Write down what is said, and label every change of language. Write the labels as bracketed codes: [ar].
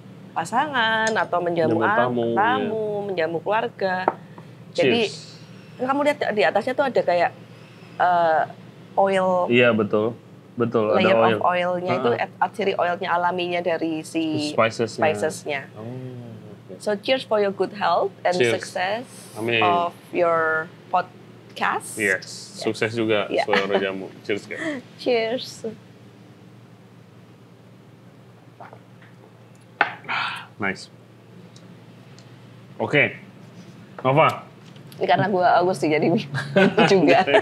[id] pasangan atau menjamu tamu, menjamu keluarga. Jadi kamu lihat di atasnya tuh ada kayak oil. Iya betul, betul. Layer ada oil. Of oilnya itu atsiri oilnya alaminya dari si spicesnya. [en] So cheers for your good health and success of your podcast. Yes, [id] sukses juga suara jamu. [en] Cheers. Cheers. Nice. [id] Nova. Ini karena gue Agus sih jadi itu juga.